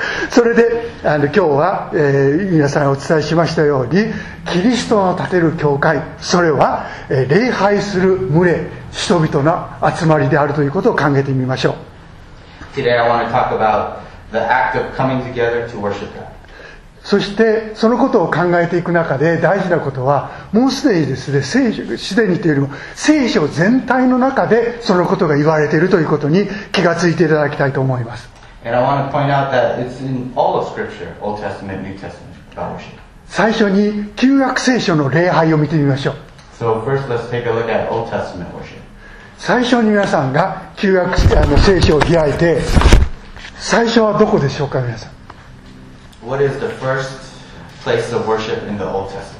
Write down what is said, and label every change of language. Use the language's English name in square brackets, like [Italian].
[Japanese] それで、今日は、皆さんにお伝えしましたように、キリストの建てる教会、それは、礼拝する群れ、人々の集まりであるということを考えてみましょう。 [English] Today I want to talk about the act of coming together to worship God. [Japanese] そしてそのことを考えていく中で大事なことは、もうすでにですね、聖書、すでにというよりも聖書全体の中でそのことが言われているということに気がついていただきたいと思います。 [English] And I want to point out that it's in all of Scripture, Old Testament, New Testament, about worship. [Japanese] 最初に旧約聖書の礼拝を見てみましょう。 [English] So first, let's take a look at Old Testament worship. [Japanese] 最初に皆さんが旧約聖書を開いて、最初はどこでしょうか、皆さん。 [English] What is the first place of worship in the Old Testament?